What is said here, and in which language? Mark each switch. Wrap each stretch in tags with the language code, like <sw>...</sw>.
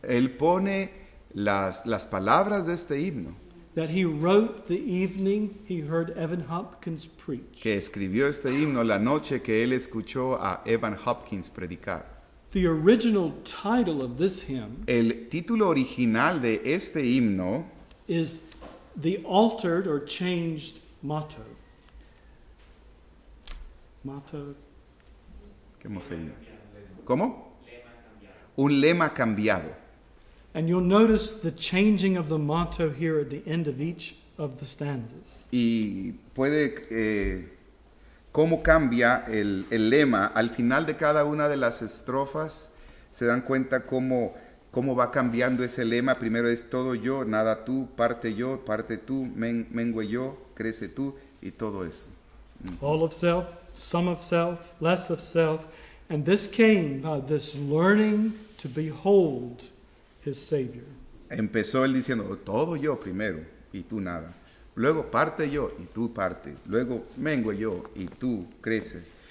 <es>Él pone las palabras de este himno.</es> <en>That he wrote the evening he heard Evan Hopkins preach.</en> <es>Que escribió este himno la noche que él escuchó a Evan Hopkins predicar.</es> <en>The original title of this hymn.</en> <es>El título original de este himno</es> <en>is the altered or changed motto. Motto.</en> <es>¿Qué hemos leído? ¿Cómo? Un lema cambiado.</es> <en>And you'll notice the changing of the motto here at the end of each of the stanzas.</en> <es>Y puede cómo cambia el lema al final de cada una de las estrofas. Se dan cuenta cómo va cambiando ese lema. Primero es todo yo, nada tú, parte yo, parte tú, mengue yo, crece tú y todo eso.</es> <en>All of self, some of self, less of self. And this came by this learning to behold his Savior.</en> <es>Empezó él diciendo, todo yo primero, y tú nada. Luego parte yo, y tú parte. Luego mengue yo, y tú creces.</es>